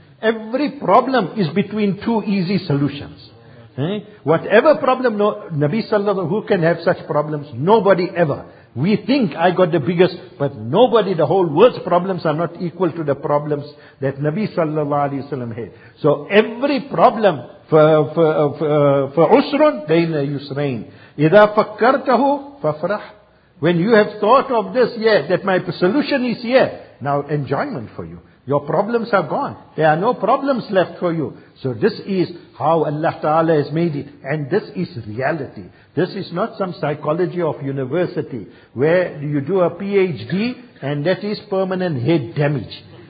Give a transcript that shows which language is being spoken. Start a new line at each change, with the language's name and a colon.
English: Every problem is between two easy solutions. Whatever problem, no, Nabi Sallallahu Alaihi Wasallam, who can have such problems? Nobody ever. We think I got the biggest, but nobody, the whole world's problems are not equal to the problems that Nabi Sallallahu Alaihi Wasallam had. So every problem,
Arabic: فَعُسْرٌ بَيْنَ يُسْرَيْنِ إِذَا فَكَّرْتَهُ فَفْرَحْ.
English: When you have thought of this, yeah, that my solution is here, now enjoyment for you. Your problems are gone. There are no problems left for you. So this is how Allah Ta'ala has made it. And this is reality. This is not some psychology of university where you do a PhD and that is permanent head damage.